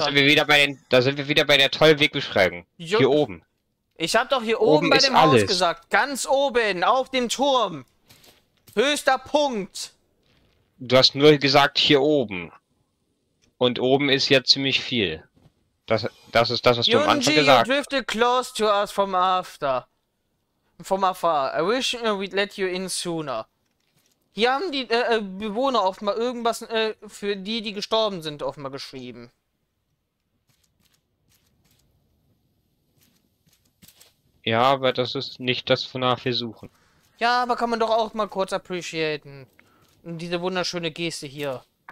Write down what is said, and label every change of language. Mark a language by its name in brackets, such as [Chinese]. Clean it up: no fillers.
[German] Da sind wir wieder bei der tollen Wegbeschreibung. Jo. Hier oben. Ich hab doch hier oben bei dem alles. Haus gesagt. Ganz oben, auf dem Turm. Höchster Punkt. Du hast nur gesagt, hier oben. Und oben ist ja ziemlich viel. Das ist das, was du am Anfang gesagt hast. [English] You drifted close to us from after. From afar. I wish we'd let you in sooner. [German] Hier haben die Bewohner offenbar irgendwas für die, die gestorben sind, offenbar geschrieben. Ja, aber das ist nicht das, wonach wir suchen. Ja, aber kann man doch auch mal kurz appreciaten. Diese wunderschöne Geste hier.